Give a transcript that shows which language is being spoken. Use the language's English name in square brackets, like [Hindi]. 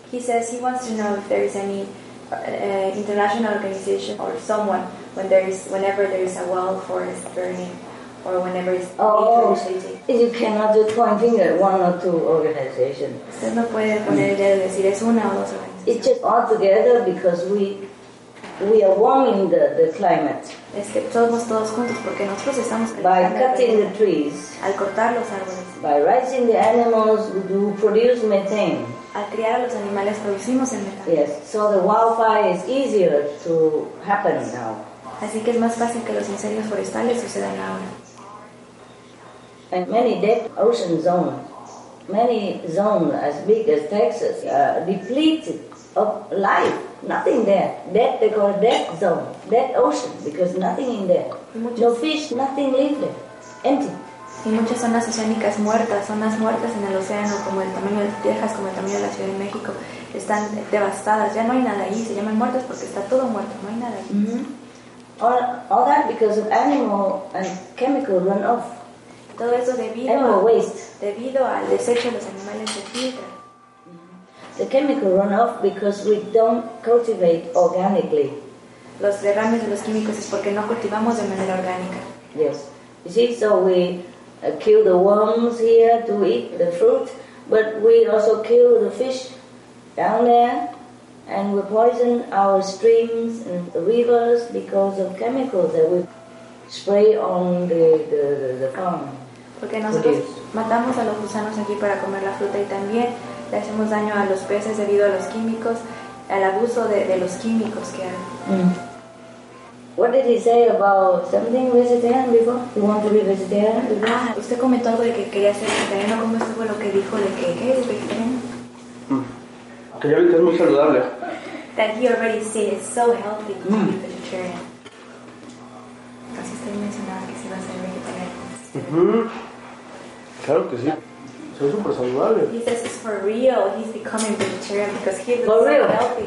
[English] He says he wants to know if there is any international organization or someone whenever there is a wild forest burning. Or whenever it's you cannot just point finger at one or two organizations. [Spanish] Usted no puede poner el dedo y decir es una o dos organizaciones. [English] It's just all together because we are warming the climate. [Spanish] Es que todos juntos porque nosotros estamos [English] by cutting the trees. [Spanish] Al cortar los árboles. [English] By raising the animals, we do produce methane. [Spanish] Al criar a los animales producimos el metano. [English] Yes, so the wildfire is easier to happen now. [Spanish] Así que es más fácil que los incendios forestales sucedan ahora. [English] And many dead ocean zones, many zones as big as Texas, depleted of life. Nothing there. Dead, they call it dead zone, dead ocean, because nothing in there. No fish, nothing live there. Empty. [Spanish] Y muchas zonas oceánicas muertas, zonas muertas en el océano, como el tamaño de Texas, como el tamaño de la Ciudad de México, están devastadas. Ya no hay nada ahí. Se llaman muertas porque está todo muerto. No hay nada ahí. [English] All that because of animal and chemical runoff. [Spanish] Todo eso debido al desecho de los animales se filtra. [English] The chemical runoff because we don't cultivate organically. [Spanish] Los derrames de los químicos es porque no cultivamos de manera orgánica. [English] Yes. You see, so we kill the worms here to eat the fruit, but we also kill the fish down there. And we poison our streams and the rivers because of chemicals that we spray on the farm. [Spanish] Porque nosotros matamos a los gusanos aquí para comer la fruta y también le hacemos daño a los peces debido a los químicos, al abuso de los químicos que hay. [English] What did he say about something vegetarian before? You want to be vegetarian? [Spanish] Ah, usted comentó algo de que quería ser vegetariano. ¿Cómo estuvo lo que dijo de que qué es vegetariano? Que ya vi que es muy saludable. [English] That he already said it's so healthy to be vegetarian. [Spanish] Así usted mencionaba que se va a ser vegetariano. Claro que sí. Soy súper saludable. [English] He says it's for real. He's becoming vegetarian because he looks so healthy.